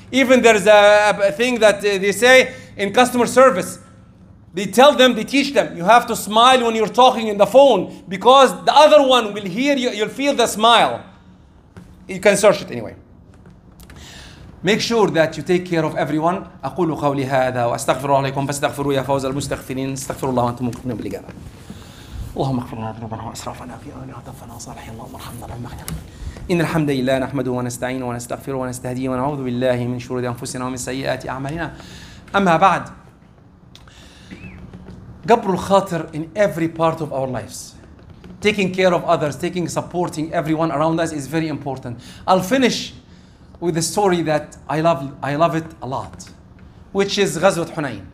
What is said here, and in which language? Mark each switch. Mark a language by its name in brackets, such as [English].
[English] Even there's a thing that they say in customer service. They tell them, they teach them, you have to smile when you're talking in the phone because the other one will hear you, you'll feel the smile. You can search it anyway. Make sure that you take care of everyone. [Arabic] أقول قولي هذا وأستغفر الله لكم فاستغفروا يا فوز المستغفرين استغفروا الله وأنتم مؤمنون بالإجابة. اللهم اغفر لنا ذنوبنا وأسرافنا في أولنا وتوفنا صالحين اللهم ارحمنا اللهم اغفر إن الحمد لله نحمده ونستعينه ونستغفره ونستهديه ونعوذ بالله من شرور أنفسنا ومن سيئات أعمالنا. أما بعد, قبر الخاطر [English] in every part of our lives. Taking care of others, taking, supporting everyone around us is very important. I'll finish with a story that I love it a lot, which is Ghazwat Hunayn.